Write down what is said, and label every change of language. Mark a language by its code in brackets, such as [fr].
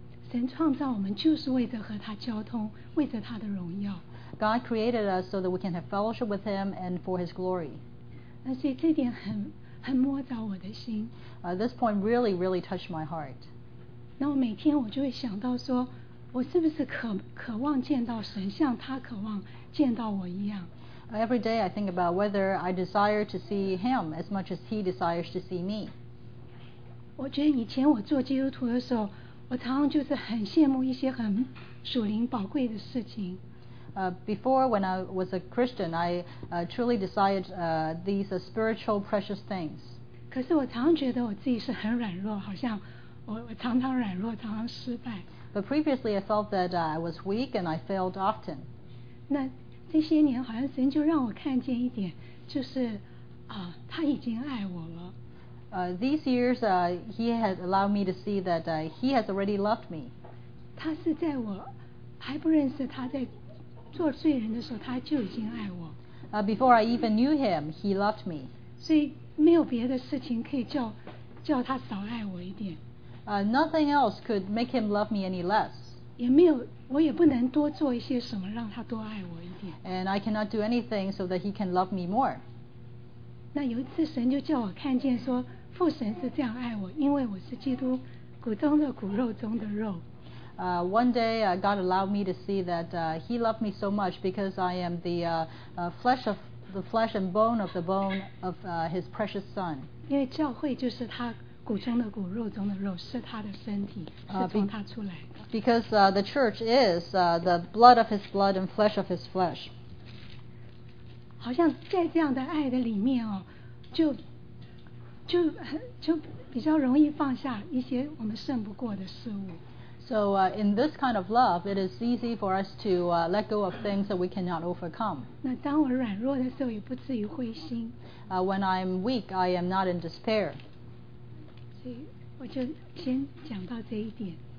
[zh] 神创造我们就是为着和他交通，为着他的荣耀。 [en] God created us so that we can have fellowship with him and for his glory. [zh] 而且这点很摸着我的心。 [en] This point really touched my heart. [zh] 那我每天我就会想到说，我是不是渴望见到神，像他渴望见到我一样。 [en] Every day I think about whether I desire to see him as much as he desires to see me. [zh] 我觉得以前我做基督徒的时候，我常常就是很羡慕一些很属灵宝贵的事情。 [en] Before, when I was a Christian, I truly desired these spiritual precious things. [zh] 可是我常觉得我自己是很软弱，好像我常常软弱，常常失败。 [en] But previously, I felt that I was weak and I failed often. [zh] 那这些年好像神就让我看见一点，就是他已经爱我了。 [en] These years, he has allowed me to see that he has already loved me. [zh] 他是在我还不认识他在做罪人的时候，他就已经爱我。 [en] Before I even knew him, he loved me. [zh] 所以没有别的事情可以叫他少爱我一点。 [en] Nothing else could make him love me any less. [zh] 也没有，我也不能多做一些什么让他多爱我一点。 [en] And I cannot do anything so that he can love me more. [zh] 那有一次神就叫我看见说，父神是这样爱我，因为我是基督骨中的骨，肉中的肉。 [en] One day, God allowed me to see that He loved me so much because I am the flesh of the flesh and bone of the bone of His precious Son. [zh] 因为教会就是他骨中的骨，肉中的肉，是他的身体，是从他出来的。 [en] Because the church is the blood of His blood and flesh of His flesh. [zh] 好像在这样的爱的里面哦，就比较容易放下一些我们胜不过的事物。 [en] So in this kind of love, it is easy for us to let go of things that we cannot overcome. [zh] 那当我软弱的时候，也不至于灰心。 [en] When I'm weak, I am not in despair. [zh] 所以我就先讲到这一点。